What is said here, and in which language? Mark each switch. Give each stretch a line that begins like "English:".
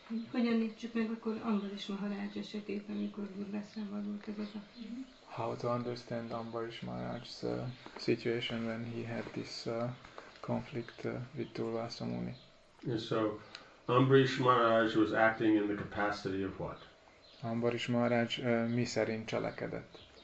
Hungarian: Hogyan értsük meg akkor Ambarish Maharaj esetét, amikor durvászra vadult ez az a...
English: How to understand Ambarish Maharaj's situation when he had this conflict with Durvasa Muni? Yeah, so, Ambarish Maharaj was acting in the capacity of what?
Hungarian: Ambarish Maharaj mi szerint cselekedett?